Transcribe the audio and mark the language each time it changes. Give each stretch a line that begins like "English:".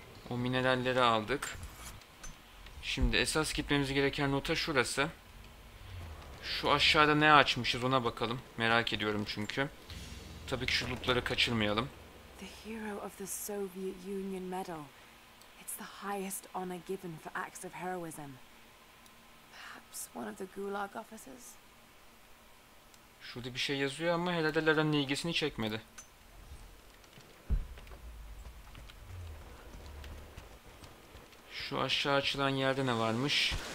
Turkish: O mineralleri aldık. Şimdi esas gitmemiz gereken nota şurası. Şu aşağıda ne açmışız ona bakalım. Merak ediyorum çünkü. Tabii ki şu lootları kaçırmayalım.
English: The hero of the Soviet Union medal. It's the highest honor given for acts of heroism. Perhaps one of the Gulag officers.
Turkish: Şurada bir şey yazıyor ama herhalde Lara'nın ilgisini çekmedi. Şu aşağı açılan yerde ne varmış?